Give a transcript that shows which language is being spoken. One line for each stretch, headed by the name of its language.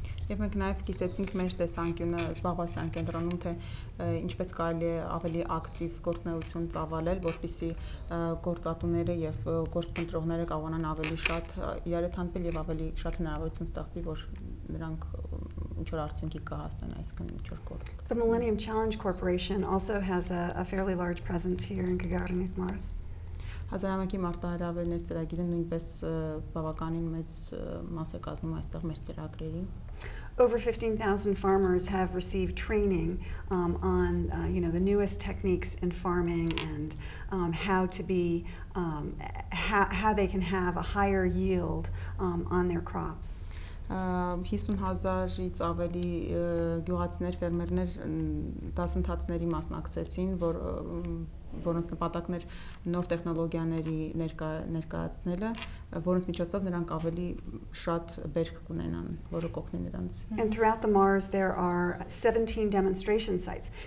Armenian: Եվ մենք նաև կիսեցինք մեր տեսանկյունը զբաղվածության կենտրոնում, թե ինչպես կարելի է ավելի ակտիվ գործնեություն ծավալել, որպեսզի գործատուները եւ գործընտրողները կարողանան ավելի շատ իրար հետ հանդիպել եւ ավելի շատ հնարավորություն ստացի, որ նրանք ինչ-որ արդյունքի կհասնեն, այսինքն ինչ-որ գործ։
English: The Millennium Challenge Corporation also has a fairly large presence here in Gagarinik Mars.
Armenian: Հազարամյակի մարտահրավերներ ծրագիրը նույնպես բավականին մեծ մաս է կազմում այստեղ մեր ծրագրերի։
English: Over 15,000 farmers have received training on you know, the newest techniques in farming and how to be how they can have a higher yield on their crops.
Armenian: 50,000-ից ավելի գյուղացիներ, ֆերմերներ դասընթացների մասնակցեցին, որոնց նպատակն էր նոր տեխնոլոգիաների ներկայացնելը, որոնց միջոցով նրանք ավելի շատ բերք կունենան, որը կօգնի նրանց։
English: And throughout the Mars there are 17 demonstration sites.